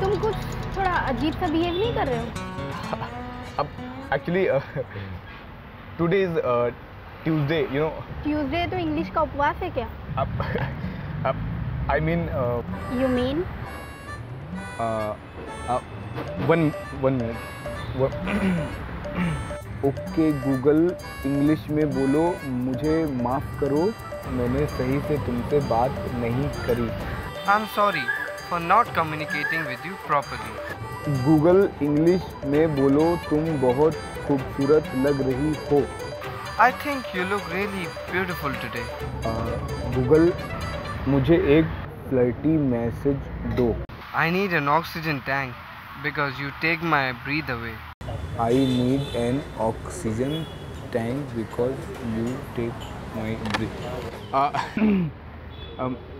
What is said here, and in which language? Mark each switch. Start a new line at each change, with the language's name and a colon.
Hindi: तुम कुछ थोड़ा अजीब सा बिहेव नहीं कर रहे हो?
English: अब actually today is Tuesday, you know.
Hindi: Tuesday तो इंग्लिश का उपवास है क्या?
English: अब I mean. You mean? One minute. Okay Google,
Hindi: English में बोलो, मुझे माफ करो, मैंने सही से तुमसे बात नहीं करी।
English: I'm sorry for not communicating with you properly.
Hindi: Google, English में बोलो, तुम बहुत खूबसूरत लग रही हो।
English: I think you look really beautiful today.
Hindi: Google, मुझे एक
English: flirty message
Hindi: दो।
English: I need an oxygen tank because you take my breath away. I need an oxygen tank because you take my breath.